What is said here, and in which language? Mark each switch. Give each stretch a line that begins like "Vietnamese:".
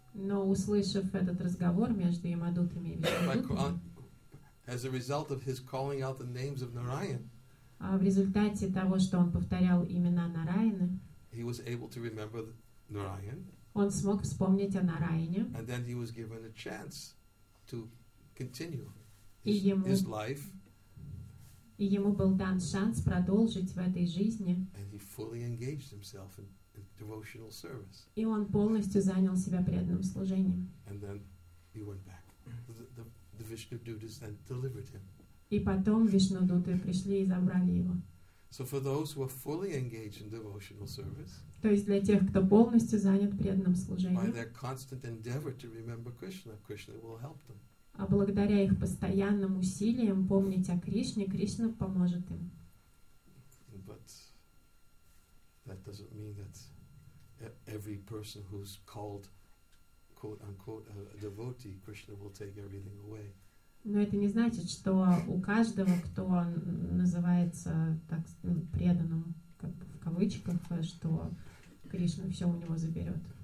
Russian: Но услышав этот разговор между Ямадутами и Вишнудутами, в результате того, что он повторял имена Нараяны,
English: he was able to remember Narayan,
Russian: он смог вспомнить о Нараяне,
English: and then he was given a chance to continue his life,
Russian: и ему был дан шанс продолжить в этой жизни,
English: and he fully engaged himself in devotional service.
Russian: И он полностью занял себя преданным служением.
English: And then he went back. The Vishnudutas then delivered him.
Russian: И потом Вишнудуты пришли и забрали его.
English: So for those who are fully engaged in devotional service.
Russian: То есть для тех, кто полностью занят преданным служением.
English: By their constant endeavor to remember Krishna, Krishna will help them.
Russian: А благодаря их постоянным усилиям помнить о Кришне, Кришна поможет им.
English: But That doesn't mean that every person who's called quote unquote a devotee, Krishna will take everything away.
Russian: Но это не значит, что у каждого, кто называется так преданным, как в кавычках, что Кришна все у него заберет.